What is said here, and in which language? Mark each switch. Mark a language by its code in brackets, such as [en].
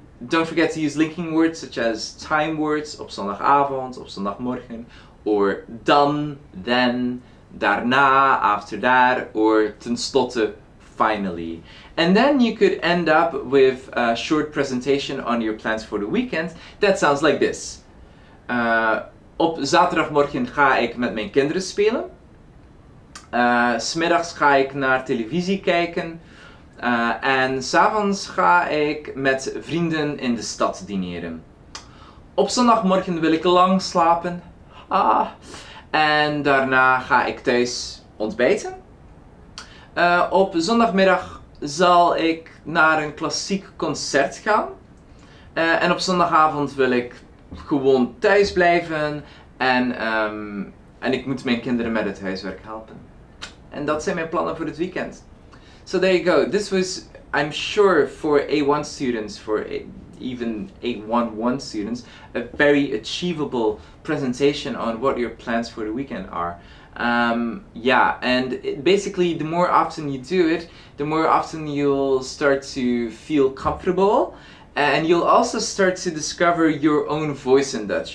[en] Don't forget to use linking words such as time words, [nl] op zondagavond, op zondagmorgen, [en] or dan, then, daarna, after that, or tenslotte, finally. And then you could end up with a short presentation on your plans for the weekend that sounds like this. [nl] Op zaterdagmorgen ga ik met mijn kinderen spelen. Smiddags ga ik naar televisie kijken. En 's avonds ga ik met vrienden in de stad dineren. Op zondagmorgen wil ik lang slapen. En daarna ga ik thuis ontbijten. Op zondagmiddag zal ik naar een klassiek concert gaan. En op zondagavond wil ik gewoon thuis blijven. En ik moet mijn kinderen met het huiswerk helpen. En dat zijn mijn plannen voor het weekend. [en] So there you go. This was, I'm sure, for A1 students, for even A11 students, a very achievable presentation on what your plans for the weekend are. Basically, the more often you do it, the more often you'll start to feel comfortable, and you'll also start to discover your own voice in Dutch.